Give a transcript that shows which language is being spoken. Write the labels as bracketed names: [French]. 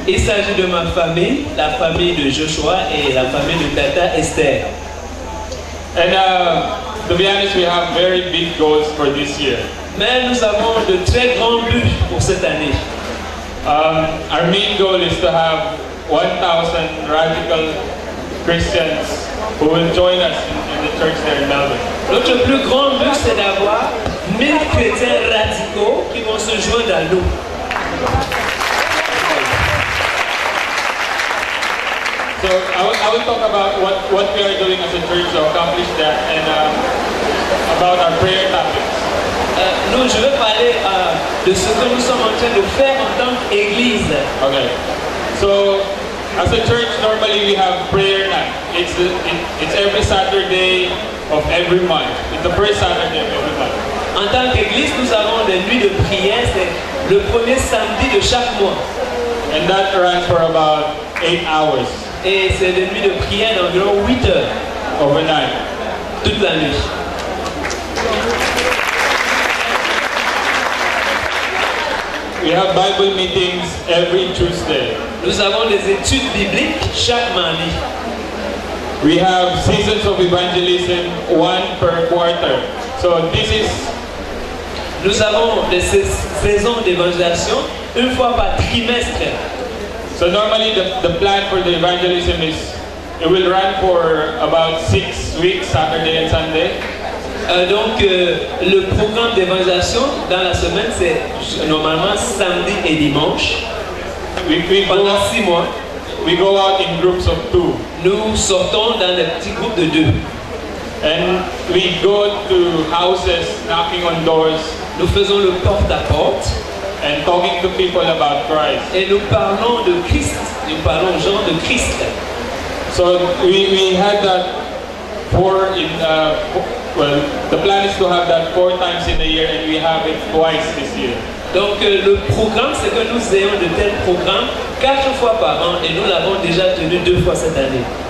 [French] Il s'agit de ma famille, la famille de Joshua et la famille de Tata Esther. [English] And to be honest, we have very big goals for this year. [French] Mais nous avons de très grands buts pour cette année. [English] Our main goal is to have 1,000 radical Christians who will join us in the church there in Melbourne. [French] Notre plus grand but c'est d'avoir 1,000 chrétiens radicaux qui vont se joindre à nous. [English] So I will talk about what we are doing as a church to accomplish that and about our prayer topics. [French] Nous, je veux parler de ce que nous sommes en train de faire en tant qu'église. [English] Okay. So, as a church, normally we have prayer night. It's every Saturday of every month. It's the first Saturday of every month. [French] En tant qu'église, nous avons des nuits de prière. C'est le premier samedi de chaque mois. [English] And that runs for about 8 hours. [French] Et c'est des nuits de prière d'environ 8 heures. [English] Overnight. [French] Toute la nuit. [English] We have Bible meetings every Tuesday. [French] Nous avons des études bibliques chaque mardi. [English] We have seasons of evangelism, one per quarter. So this is. [French] Nous avons des saisons d'évangélisation une fois par trimestre. [English] So normally the plan for the evangelism is it will run for about 6 weeks, Saturday and Sunday. [French] Le programme d'évangélisation dans la semaine c'est normalement samedi et dimanche. [English] We [French] pendant 6 mois. [English] We go out in groups of 2. [French] Nous sortons dans des petits groupes de 2. [English] And we go to houses, knocking on doors. [French] Nous faisons le porte à porte. [English] And talking to people about Christ. [French] Et nous parlons de Christ. Nous parlons aux gens de Christ. [English] So we had that four in. Well, the plan is to have that 4 times in a year, and we have it twice this year. [French] Donc le programme, c'est que nous ayons de tels programmes 4 fois par an, et nous l'avons déjà tenu 2 fois cette année.